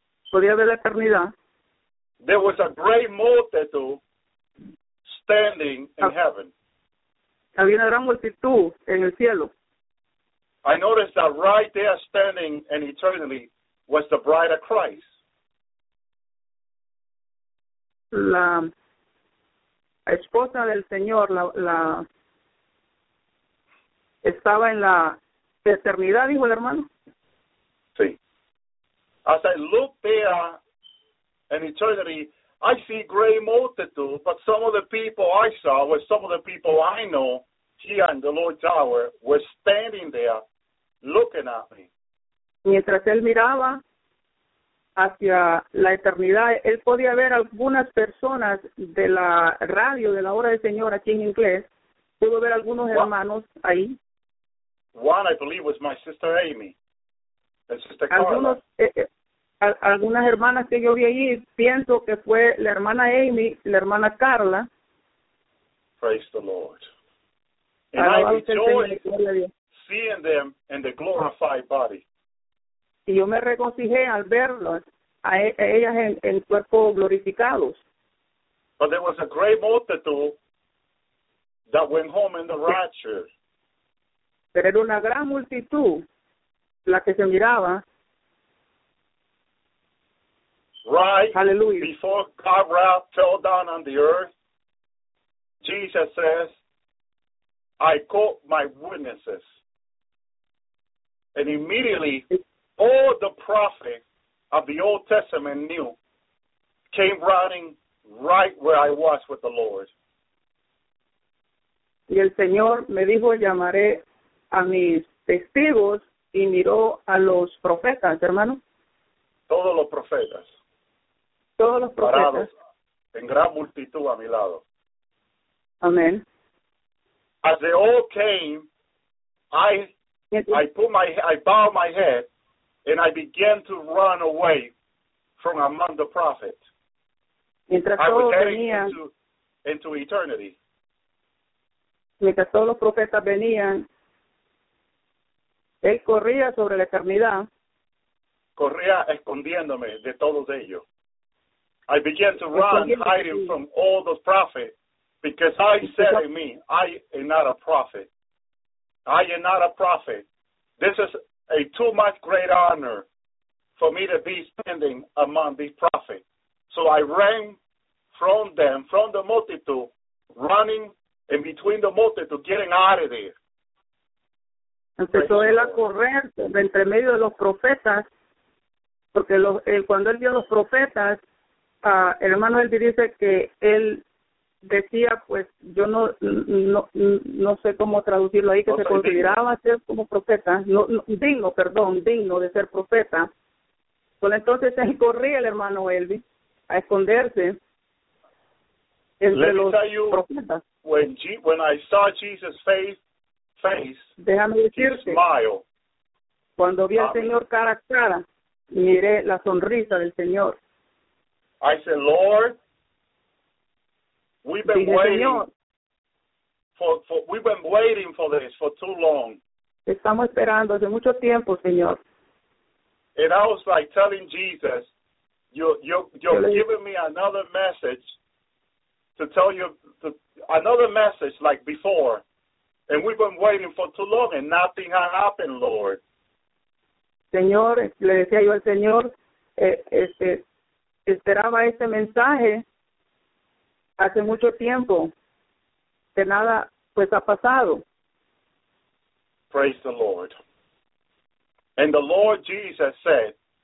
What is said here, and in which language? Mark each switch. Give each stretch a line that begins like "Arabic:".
Spanish: Podía ver la eternidad.
English: There was a great multitude standing in heaven.
Spanish: Había una gran multitud en el cielo.
English: I noticed that right there standing in eternity was the bride of Christ.
Spanish: La esposa del Señor, la estaba en la eternidad, dijo el hermano. Sí.
English: As I look there in eternity, I see great multitude, but some of the people I saw were some of the people I know here in the Lord's Tower were standing there looking at me.
Spanish: Mientras él miraba hacia la eternidad, él podía ver algunas personas de la radio de la hora del Señor aquí en inglés. Pudo ver algunos hermanos ahí.
English: One, I believe, was my sister Amy and sister Carla.
Spanish: Algunas hermanas que yo vi ahí, pienso que fue la hermana Amy, la hermana Carla.
English: Praise the Lord. And
Spanish: alabado
English: I rejoiced seeing them in the glorified body.
Spanish: Y yo me regocijé al verlos a ellas en el cuerpo glorificados.
English: But there was a great multitude that went home in the rapture.
Spanish: Pero era una gran multitud la que se miraba.
English: Right. Hallelujah. Before God's wrath fell down on the earth, Jesus says, I call my witnesses. And immediately, all the prophets of the Old Testament knew, came running right where I was with the Lord.
Spanish: Y el Señor me dijo, llamaré a mis testigos, y miró a los profetas, hermano. Todos los profetas. Todos los profetas. Parados en gran multitud a mi lado. Amén.
English: As they all came, I bowed my head, and I began to run away from among the prophets.
Spanish: Mientras
English: I
Spanish: todos
English: was heading
Spanish: venían,
English: into eternity.
Spanish: Mientras todos los profetas venían, él corría sobre la eternidad. Corría escondiéndome de todos ellos.
English: I began to run, hiding from all those prophets, because I said in me, I am not a prophet. I am not a prophet. This is a too much great honor for me to be standing among these prophets. So I ran from them, from the multitude, running in between the multitude, getting out of there.
Spanish: Empezó él a correr entre medio de los profetas, porque cuando él vio a los profetas, el hermano él dice que él decía, pues yo no sé cómo traducirlo ahí, que no se consideraba digno. Ser como profeta, digno de ser profeta. Pues entonces él corría, el hermano Elvis, a esconderse entre los profetas.
English: When I saw Jesus' face,
Spanish: déjame decirte, cuando vi al Señor cara a cara, miré la sonrisa del Señor.
English: I said, Lord, we've been waiting for this for too long.
Spanish: Estamos esperando hace mucho tiempo, Señor.
English: And I was like telling Jesus, you're giving me another message to tell you another message like before. And we've been waiting for too long and nothing has happened, Lord.
Spanish: Señor, le decía yo al Señor, esperaba este mensaje hace mucho tiempo, que nada pues ha pasado.
English: Praise the Lord. And the Lord Jesus said,